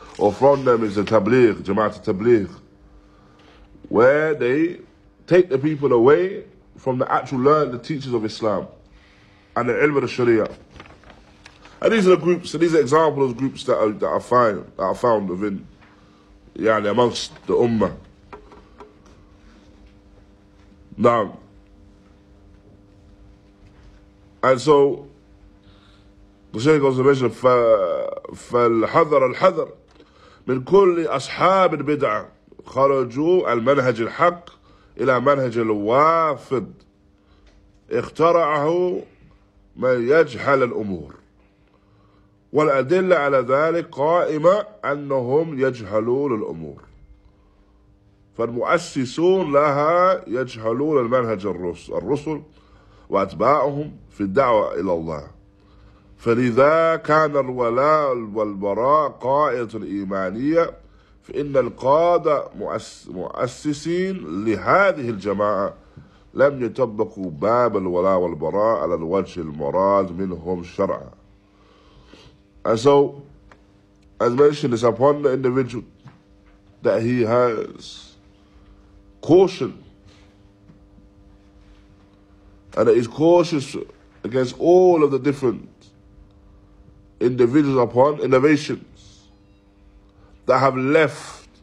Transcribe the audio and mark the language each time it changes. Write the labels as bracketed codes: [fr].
[en] Or from them is the tabligh, jama'at al-tabligh, where they take the people away from the actual learning, the teachers of Islam and the ilm of the Sharia. And these are the groups, and these are examples of groups that are found within, yani amongst the ummah. Now, and so, the Shaykh goes to mention, [ar] فالحذر الحذر من كل أصحاب البدعة خرجوا المنهج الحق إلى منهج الوافد اخترعه من يجهل الأمور والأدلة على ذلك قائمة أنهم يجهلون الأمور فالمؤسسون لها يجهلون المنهج الرسل وأتباعهم في الدعوة إلى الله فلذا كان الولاء والبراء قاعدة إيمانية فإن القادة مؤسسين لهذه الجماعة لم يطبقوا باب الولاء والبراء على الوجه المراد منهم شرعا. [en] And so, as mentioned, it's upon the individual that he has caution, and that he's cautious against all of the different individuals upon innovations that have left